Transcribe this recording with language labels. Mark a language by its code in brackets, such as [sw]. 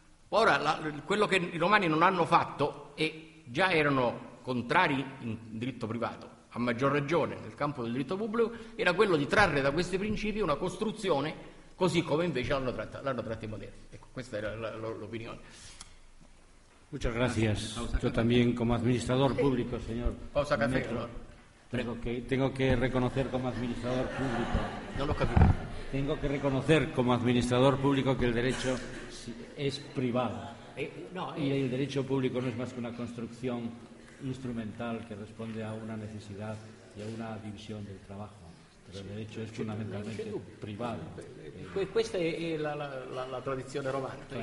[it] Ora, quello che i romani non hanno fatto, e già erano contrari in diritto privato, a maggior ragione nel campo del diritto pubblico, era quello di trarre da questi principi una costruzione, così come invece l'hanno tratta i moderni. Ecco, questa era l'opinione. [es] Muchas gracias. Yo también, como administrador público, señor. Pausa café, tengo que reconocer como administrador público. [it] No lo capito. [es] Tengo que reconocer como administrador público que el derecho es privado. No, y el derecho público no es más que una construcción instrumental que responde a una necesidad y a una división del trabajo. Pero el derecho es fundamentalmente privado. [it] Questa è la tradizione romana, claro.